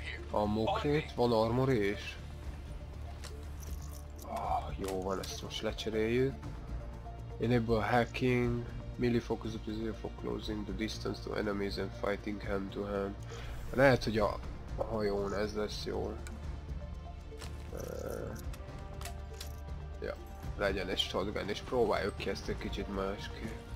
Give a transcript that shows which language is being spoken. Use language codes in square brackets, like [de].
[hu] A mokrét, van armor is. Ah, jó van, ezt most lecseréljük. [en] Enable hacking. Melee focus up is for closing the distance to enemies and fighting hand to hand. [hu] Lehet, hogy a hajón ez lesz jól. legyen egy shotgun, és próbáljuk ki ezt egy kicsit másképp.